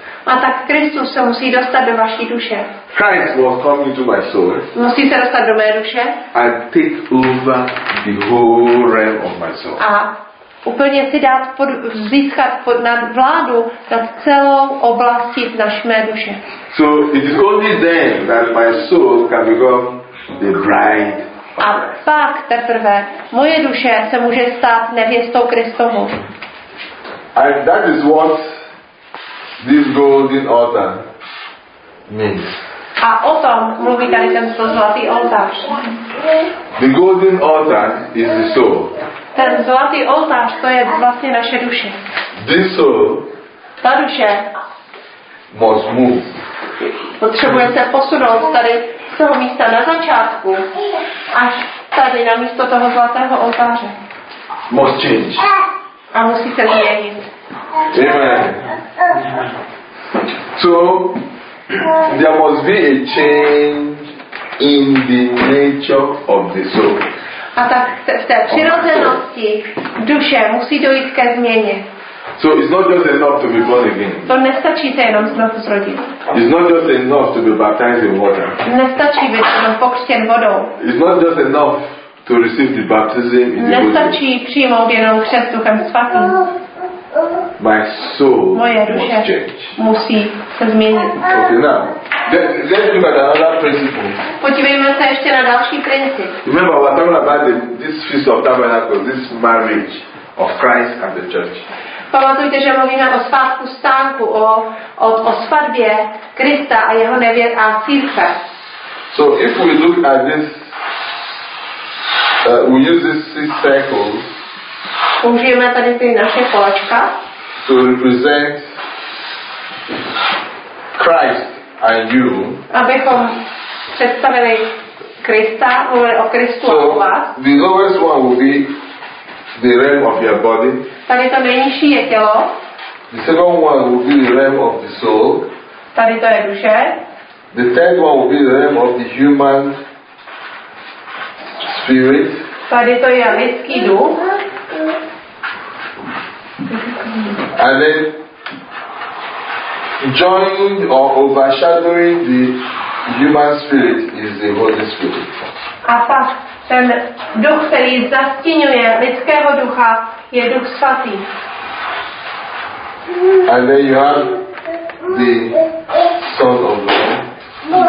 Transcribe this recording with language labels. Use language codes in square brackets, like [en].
[cs] A tak Kristus se musí dostat do vaší duše. [en] Christ will come into my soul. [cs] Musí se dostat do mé duše. [en] And take over the whole realm of my soul. [cs] A úplně si dát získat pod nad vládu nad celou oblastí naší mé duše. [en] So it is only then that my soul can become the bride. [cs] A pak teprve moje duše se může stát nevěstou Kristovou. [en] And that is what this golden altar means. [cs] A o tom mluví tady tento zlatý oltář. [en] The golden altar is the soul. [cs] Ten zlatý oltář, to je vlastně naše duše. [en] This soul. [cs] Ta duše. [en] Must move. [cs] Potřebuje se posunout tady z toho místa na začátku až tady na místo toho zlatého oltáře. [en] Must change. [cs] A musí se změnit. Amen. [en] So there must be a change in the nature of the soul. [cs] A tak v té přirozenosti duše musí dojít ke změně. [en] So it's not just enough to be born again. [cs] To nestačí se jenom znovu zrodit. [en] It's not just enough to be baptized in water. [cs] Nestačí být jenom pokřtěn vodou. [en] It's not just enough to receive the baptism in the water. [cs] Nestačí přijmout jenom křest Duchem Svatým. [en] My soul [cs] moje duše [en] must change. [cs] Musí se změnit. [en] Okay, now, let's look at another principle. [cs] Podívejme se ještě na další princip. [en] Remember, we're talking about this feast of tabernacles, this marriage of Christ and the church. [cs] Pamatujte, že mluvíme o svátku stánku, o svatbě Krista a jeho nevěst a církve. [en] So if we look at this, we use this circle. [cs] Použijeme tady ty naše kolečka. [en] To represent Christ and you. [cs] Abychom představili Krista, mluvili o Kristu [en] so, [cs] a o vás. [en] The lowest one will be the realm of your body. [cs] Tady to nejnižší je tělo. [en] The second one will be the realm of the soul. [cs] Tady to je duše. [en] The third one will be the realm of the human spirit. [cs] Tady to je lidský duch. [en] And then joining or overshadowing the human spirit is the Holy Spirit. [cs] A pak ten duch, který zastínuje lidského ducha, je Duch Svatý. [en] And then you have the Son of God.